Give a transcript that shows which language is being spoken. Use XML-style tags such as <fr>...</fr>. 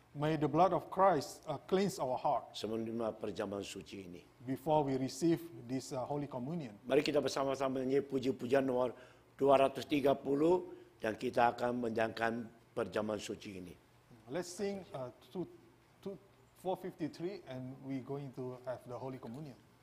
<en>May the blood of Christ cleanse our heart.</en> <id>Sebelum menerima perjamuan suci ini.</id> <en>Before we receive this holy communion.</en> <id>Mari kita bersama-sama menyanyi puji-pujian nomor 230 dan kita akan menjalankan perjamuan suci ini.</id> <en>Let's sing 453 and we going to have the holy communion.</en>